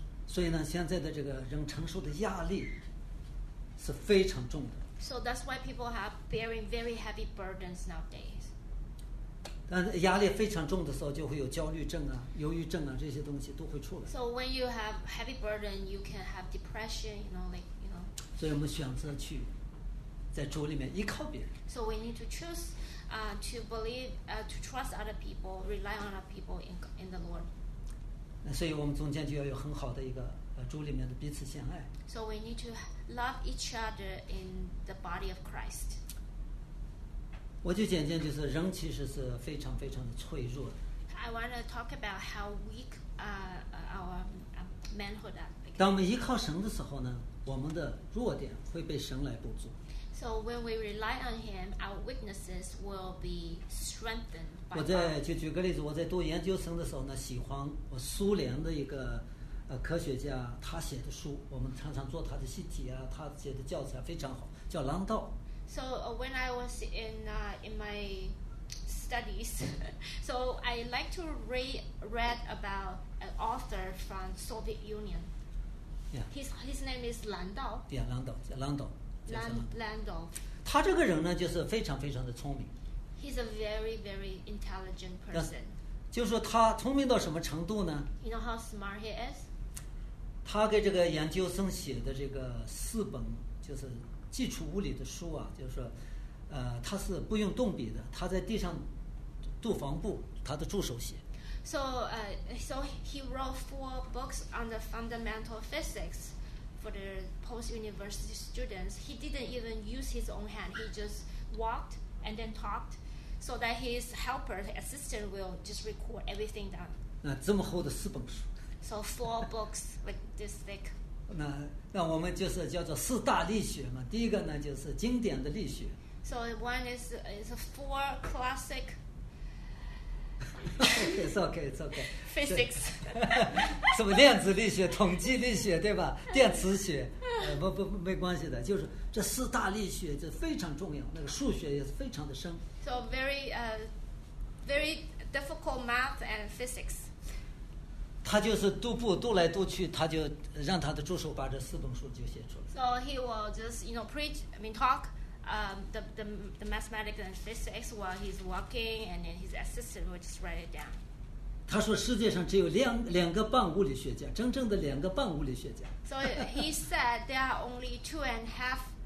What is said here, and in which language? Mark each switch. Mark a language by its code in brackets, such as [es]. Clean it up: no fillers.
[zh] 所以呢，现在的这个人承受的压力是非常重的。 [en] So that's why people have bearing very heavy burdens nowadays. [zh] 但压力非常重的时候，就会有焦虑症啊、忧郁症啊这些东西都会出来。 [en] So when you have heavy burden, you can have depression, you know, like you know. [zh] 所以我们选择去在主里面依靠别人。 [en] So we need to choose. To believe, to trust other people, rely on other people in the Lord. [zh] 所以我们中间就要有很好的一个主里面的彼此相爱。 [en] So we need to love each other in the body of Christ. [zh] 我就简简就是人其实是非常非常的脆弱的。 [en] I want to talk about how weak our manhood are. [zh] 当我们依靠神的时候呢，我们的弱点会被神来补足。 [en] So when we rely on him, our weaknesses will be strengthened. [zh] 我在就举个例子，我在读研究生的时候呢，喜欢我苏联的一个科学家，他写的书，我们常常做他的习题啊，他写的教材非常好，叫郎道。 [en] So when I was in my studies, so I like to read about an author from Soviet Union. Yeah. His name is 郎道。 Yeah, [zh] 郎道，叫郎道。 [en] Landolf. [zh] 他这个人呢，就是非常非常的聪明。 [en] He's a very, very intelligent person. [zh] 就是说他聪明到什么程度呢 [en] ？You know how smart he is. [zh] 他给这个研究生写的这个四本就是基础物理的书啊，就是说，他是不用动笔的，他在地上度房部，他的助手写。 [en] So he wrote four books on the fundamental physics. For the post-university students, he didn't even use his own hand. He just walked and then talked, so that his helper, his assistant, will just record everything done. [zh] 那这么厚的四本书。 [en] So four books like this thick. [zh] 那我们就是叫做四大力学嘛。第一个呢，就是经典的力学。 [en] So one is four classic. It's okay. Physics. [zh] 什么量子力学、统计力学，对吧？电磁学，不，没关系的。就是这四大力学，这非常重要。那个数学也是非常的深。 [en] So very, very difficult math and physics. [zh] 他就是踱步踱来踱去，他就让他的助手把这四本书就写出来。 [en] So he will just, you know, preach. I mean, talk. The mathematics and physics while he's walking, and then his assistant will just write it down. [zh] 他说世界上只有两个半物理学家，真正的两个半物理学家。 [en] So he said there are only two and half,